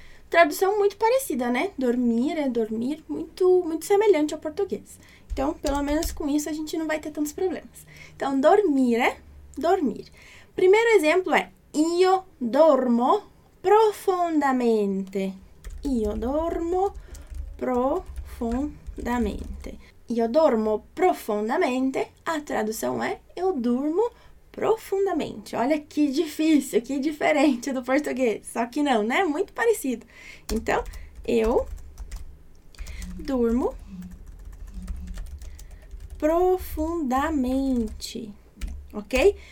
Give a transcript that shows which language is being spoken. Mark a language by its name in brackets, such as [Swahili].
[Portuguese] Tradução muito parecida, né? Dormir é dormir, muito, muito semelhante ao português. Então, pelo menos com isso, a gente não vai ter tantos problemas. Então, dormire. Dormir. Primeiro exemplo é: [Italian] io dormo profondamente. Io dormo profondamente. Profondamente. Io dormo profondamente. [Portuguese] A tradução é: eu durmo profundamente. Olha que difícil, que diferente do português. Só que não, né? Muito parecido. Então, eu durmo profundamente. Ok?